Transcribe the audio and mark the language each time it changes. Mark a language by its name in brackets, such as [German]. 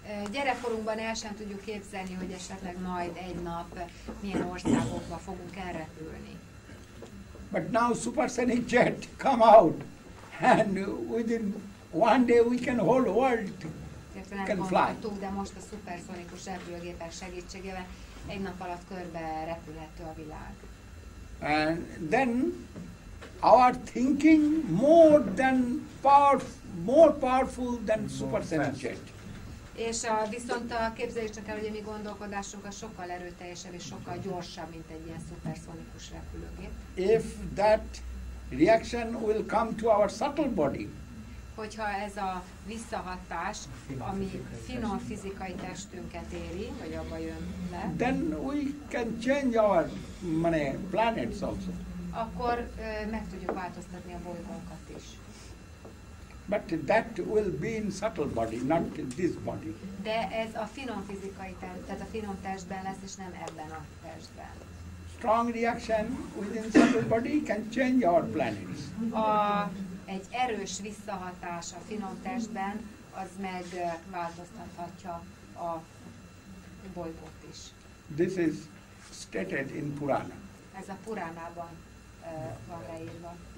[Hungarian] Gyerekkorunkban el sem tudjuk képzelni, hogy esetleg majd egy nap milyen országokba fogunk elrepülni. [English] But now supersonic jet come out, and within one day we can hold world, can fly. [Hungarian] De most a szuperszonikus repülőgépek segítségével egy nap alatt körbe repülhető a világ. [English] And then our thinking more than powerful. More powerful than supersonic jet. [Hungarian] És viszont képzeljük csak el, hogy a mi gondolkodásunk a sokkal erőteljesebb és sokkal gyorsabb, mint egy ilyen szuperszonikus repülőgép. [English] If that reaction will come to our subtle body. [Hungarian] Hogyha ez a visszahatás, ami finom fizikai testünket éri, vagy abba jön le. [English] Then we can change our planets also. [Hungarian] Akkor meg tudjuk változtatni a bolygónkat is. [English] But that will be in subtle body, not in this body. [Hungarian] De ez a finom fizikai test, tehát a finom testben lesz, és nem ebben a testben. [English] Strong reaction within subtle body can change our planets. [Hungarian] Egy erős visszahatás a finom testben, az megváltoztathatja a bolygót is. [English] This is stated in Purana. [Hungarian] Ez a Puránában van leírva.